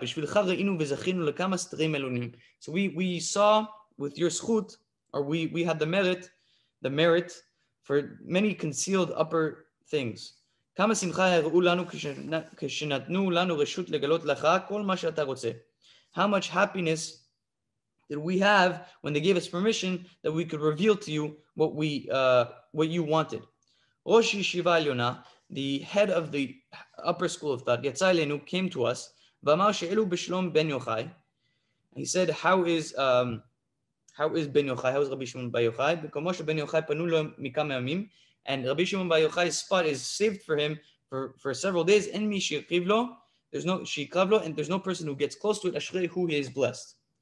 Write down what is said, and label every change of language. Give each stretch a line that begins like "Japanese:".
Hebrew: בשבילך ראינו וזכינו לכמה סתרים אלונים.
English: So we saw with your זכות, or we had the merit for many concealed upper things.
Hebrew: כמה שמחה הראו לנו כשנתנו לנו רשות לגלות לך כל מה שאתה רוצה.
English: How much happiness did we have when they gave us permission that we could reveal to you what you wanted.
Hebrew: ראש ישיבה עליונה,
English: the head of the upper school of thought,
Hebrew: יצא אלינו,
English: came to us,
Hebrew: ואמר שאלו בשלום בן יוחאי.
English: He said, how is בן יוחאי, how is רבי שמעון בן יוחאי?
Hebrew: וכמו שבן יוחאי פנו לו מכמה ימים,
English: and רבי שמעון בן יוחאי's spot is saved for him for several days,
Hebrew: אין מי שיקרב לו,
English: and there's no person who gets close to it,
Hebrew: אשרי הוא,
English: he is blessed.